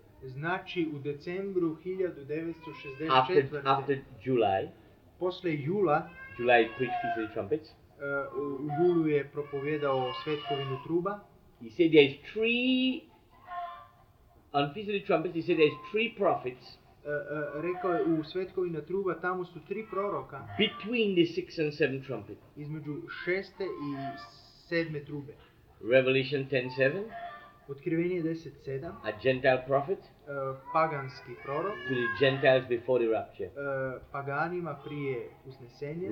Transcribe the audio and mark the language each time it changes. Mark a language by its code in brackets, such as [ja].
[hr] znači u decembru 1964, [en] after July, [hr] posle jula, [en] July preached Feast of the Trumpets, [hr] u julu je propovjedao svetkovinu truba, [en] he said there is three, on Feast of the Trumpets, he said there is three prophets, [hr] rekao je u svetkovina truba tamo su tri proroka [en] between the six and seven trumpet, [hr] između šeste i sedme trube. [en] Revelation 10:7, [hr] Otkrivenje 10:7, [en] a gentile prophet, [hr] paganski prorok, [en] to the gentiles before the rapture, [hr] paganima prije uznesenje.